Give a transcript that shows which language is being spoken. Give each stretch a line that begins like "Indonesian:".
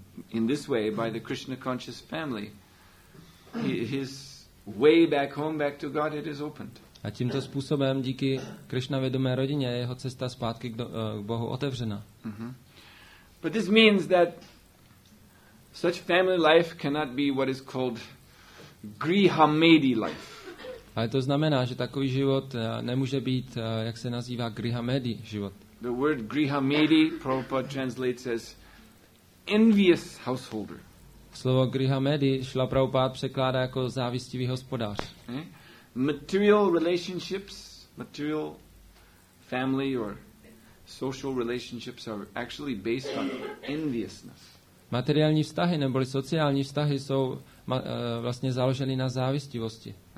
English: In this way, by the Krishna conscious family, his way back home, back to Godhead is opened.
Czech: A tímto způsobem, díky Krishna vědomé rodině, je jeho cesta zpátky k Bohu otevřena.
English: But this means that such family life cannot be what is called grihamedi life.
Czech: Ale to znamená, že takový život nemůže být, jak se nazývá, grihamedi život.
English: The word grihamedi, Prabhupada translates as envious householder.
Czech: Slovo grihamedi Srila Prabhupada překládá jako závistivý hospodář.
English: Material relationships, material family or social relationships are actually based on enviousness.
Czech: Materiální vztahy neboli sociální vztahy jsou vlastně založeny na závistivosti.